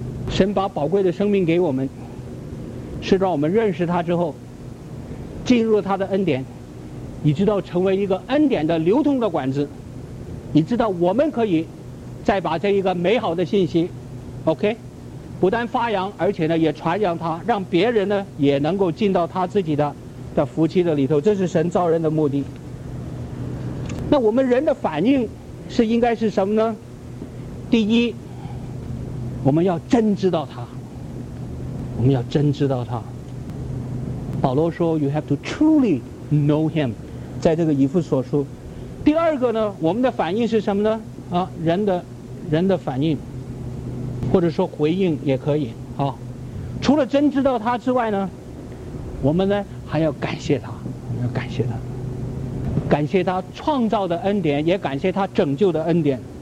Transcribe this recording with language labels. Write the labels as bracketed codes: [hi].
[zh] 神把宝贵的生命给我们，是让我们认识他之后进入他的恩典，以直到成为一个恩典的流通的管子，以直到我们可以再把这一个美好的信息 OK 不但发扬，而且呢也传扬它，让别人呢也能够进到他自己的福气的里头。这是神造人的目的。那我们人的反应是应该是什么呢？第一，我们要真知道他，我们要真知道他。保罗说 [en] You have to truly know him， [zh] 在这个以弗所书。第二个呢，我们的反应是什么呢？啊，人的反应，或者说回应也可以啊。除了真知道他之外呢，我们呢还要感谢他，要感谢他，感谢他创造的恩典，也感谢他拯救的恩典。